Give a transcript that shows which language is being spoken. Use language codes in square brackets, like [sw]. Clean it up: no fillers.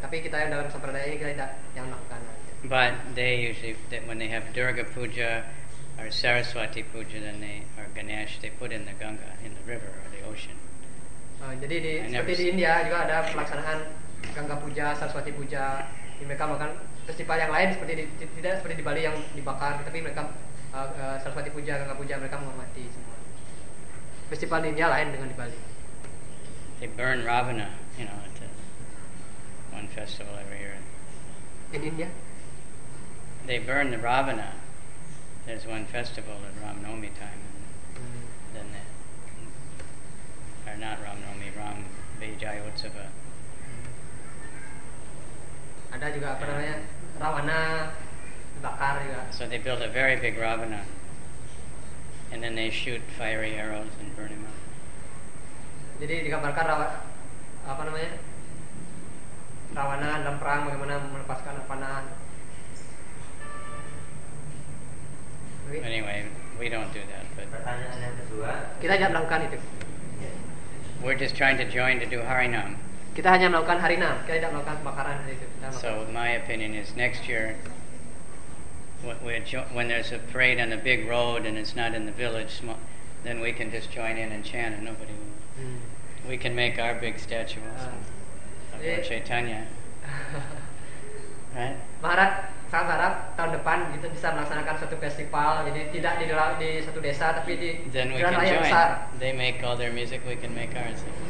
[id] Tapi kita yang dalam sampradaya ini kita tidak yang melakukan. [en] But they usually, when they have Durga Puja or Saraswati Puja, then they, or Ganesh, they put in the Ganga, in the river or the ocean. [id] Jadi di, seperti di India juga ada pelaksanaan Ganga Puja, Saraswati Puja. Di mereka makan festival yang lain seperti di, tidak seperti di Bali yang dibakar, tapi mereka Saraswati Puja, Ganga Puja mereka menghormati semua. Festival di India lain dengan di Bali. [en] They burn Ravana, you know, at one festival every year. In India? They burn the Ravana. There's one festival at Ram Navami time, and then they are not Ram Navami, Ram Vijaya Utsava. [id] Ada juga apa namanya Ravana dibakar juga. [en] So they build a very big Ravana, and then they shoot fiery arrows and burn him up. [id] Jadi digambarkan apa namanya Ravana dalam perang bagaimana melepaskan panah. [en] Anyway, we don't do that. But [id] kita tidak melakukan itu. [en] We're just trying to join to do Harinam. [id] Kita hanya melakukan Harinam. Kita tidak melakukan pembakaran itu. [en] So my opinion is next year, when there's a parade on the big road and it's not in the village, then we can just join in and chant, and nobody will. We can make our big statue also of Lord Chaitanya. [id] Maharaj, saya harap tahun depan kita bisa melaksanakan suatu festival, jadi tidak di dalam di satu desa tapi di jalan raya besar. [en] They make all their music, we can make ours.